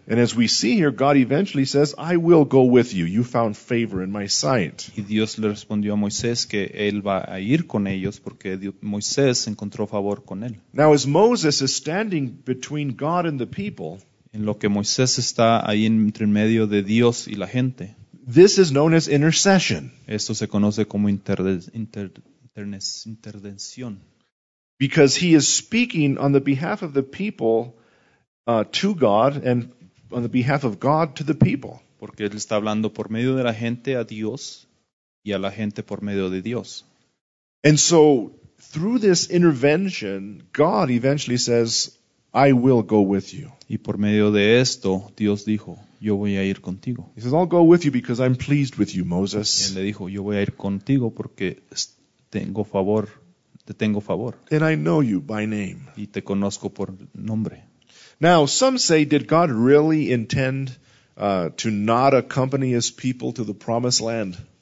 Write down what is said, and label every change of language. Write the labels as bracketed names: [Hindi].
[English] And as we see here, God eventually says, I will go with you. You found favor in my sight. [Spanish] Y Dios le respondió a Moisés que él va a ir con ellos porque Moisés encontró favor con él. [English] Now as Moses is standing between God and the people, [Spanish] en lo que Moisés está ahí entre medio de Dios y la gente, [English] this is known as intercession. [Spanish] Esto se conoce como intercesión. [English] Because he is speaking on the behalf of the people to God and on the behalf of God to the people. [Spanish] Porque él está hablando por medio de la gente a Dios y a la gente por medio de Dios. [English] And so through this intervention, God eventually says, I will go with you. [Spanish] Y por medio de esto, Dios dijo, yo voy a ir contigo. [English] He says, I'll go with you because I'm pleased with you, Moses. [Spanish] Él le dijo, yo voy a ir contigo porque te tengo favor. [English] And I know you by name. [Spanish] Y te conozco por nombre. [English] Now, some say, did God really intend to not accompany his people to the promised land?